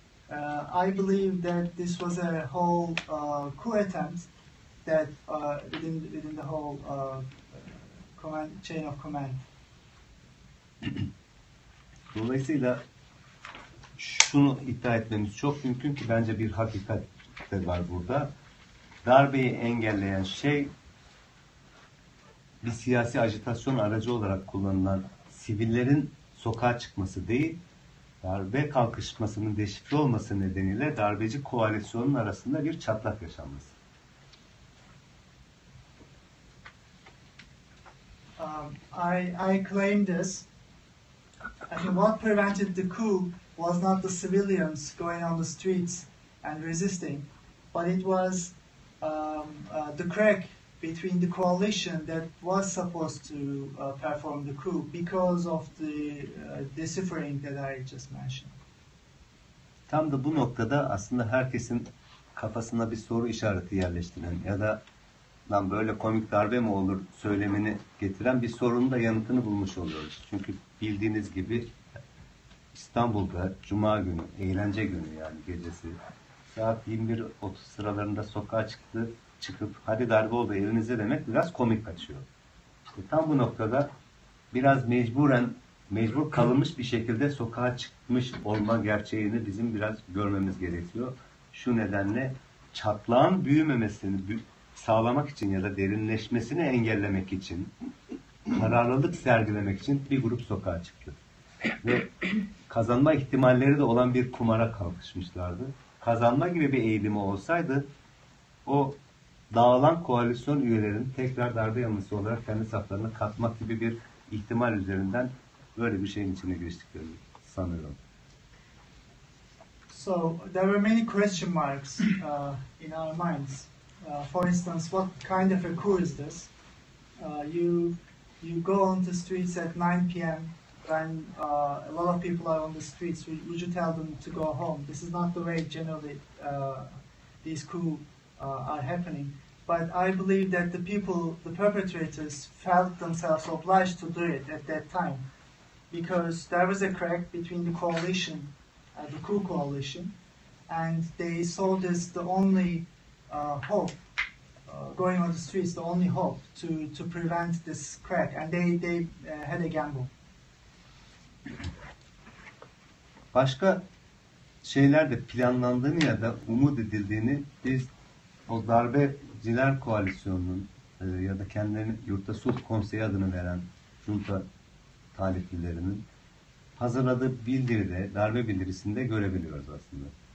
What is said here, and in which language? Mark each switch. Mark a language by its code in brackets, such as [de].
[en] I believe that this was a whole coup attempt that within the whole chain of command. [tr] Dolayısıyla şunu iddia etmemiz çok mümkün ki bence bir hakikat de var burada. Darbeyi engelleyen şey bir siyasi ajitasyon aracı olarak kullanılan sivillerin sokağa çıkması değil, darbe kalkışmasının deşifre olması nedeniyle darbeci koalisyonun arasında bir çatlak yaşanması. [en] I claim this. I mean, what prevented the coup was not the civilians going on the streets and resisting, but it was the crack between the coalition that was supposed to perform the coup because of the deciphering that I just mentioned. [tr] Tam da bu noktada aslında herkesin kafasına bir soru işareti yerleştiren ya da lan böyle komik darbe mi olur söylemini getiren bir sorunun da yanıtını bulmuş oluyoruz. Çünkü bildiğiniz gibi İstanbul'da Cuma günü, eğlence günü yani gecesi saat 21.30 sıralarında sokağa çıkıp hadi darbe oldu evinize demek biraz komik kaçıyor. İşte tam bu noktada biraz mecbur kalınmış bir şekilde sokağa çıkmış olma gerçeğini bizim biraz görmemiz gerekiyor. Şu nedenle çatlağın büyümemesini sağlamak için ya da derinleşmesini engellemek için, kararlılık sergilemek için bir grup sokağa çıktı. Ve kazanma ihtimalleri de olan bir kumara kalkışmışlardı. Kazanma gibi bir eğilimi olsaydı, o dağılan koalisyon üyelerinin tekrar darbe yanlısı olarak kendi saflarına katmak gibi bir ihtimal üzerinden böyle bir şeyin içine giriştiklerini sanıyorum. [en] So there were many question marks in our minds. For instance, what kind of a coup is this? You go on the streets at 9 p.m. when a lot of people are on the streets. Would you tell them to go home? This is not the way generally these coups are happening. But I believe that the people, the perpetrators, felt themselves obliged to do it at that time, because there was a crack between the coalition, the coup coalition, and they saw this the only hope, going on the streets, the only hope to prevent this crack, and they had a gamble. [tr] Başka şeyler de planlandığını ya da umut edildiğini biz o darbeciler koalisyonunun ya da kendilerini yurtta sulh konseyi adını veren junta taliplilerinin hazırladığı bildiride, darbe bildirisinde görebiliyoruz aslında.